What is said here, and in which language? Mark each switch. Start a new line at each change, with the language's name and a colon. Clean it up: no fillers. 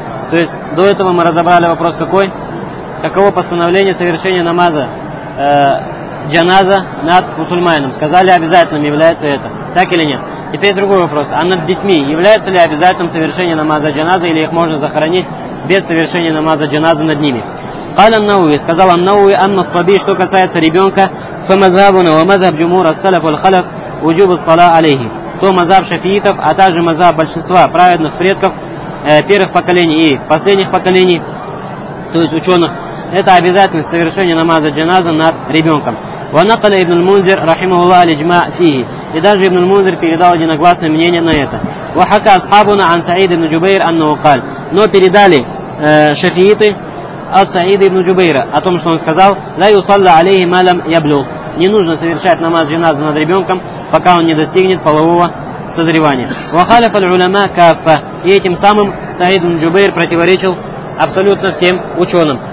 Russian: То есть до этого мы разобрали вопрос какой? Каково постановление совершения намаза джаназа над мусульманином? Сказали, обязательным является это. Так или нет? Теперь другой вопрос. А над детьми является ли обязательным совершение намаза джаназа или их можно захоронить без совершения намаза джаназы над ними?
Arabic: Каля ан-Науви.
Russian: Сказал ан-Науви,
Arabic: анна саби,
Russian: что касается ребенка,
Arabic: فمذهبنا ومذهب جمهور السلف والخلف وجوب الصلاة عليه.
Russian: То мазаб шафиитов, а также мазаб большинства праведных предков первых поколений и последних поколений, то есть ученых, это обязательность совершения намаза джаназа над ребенком.
Arabic: ونقل ابن المنذر رحمه الله الإجماع فيه.
Russian: И даже ابن المنذر передал единогласное мнение на это.
Arabic: وحكى أصحابنا عن سعيد بن جبير أنه قال.
Russian: Но передали шафииты от Саида ибн Джубейра о том, что он сказал:
Arabic: «Ла юсалла алейхи малам яблюх».
Russian: Не нужно совершать намаз джаназа над ребенком, пока он не достигнет полового созревания.
Arabic: «Вахалиф аль-уляма каффа».
Russian: И этим самым Саид ибн Джубейр противоречил абсолютно всем ученым.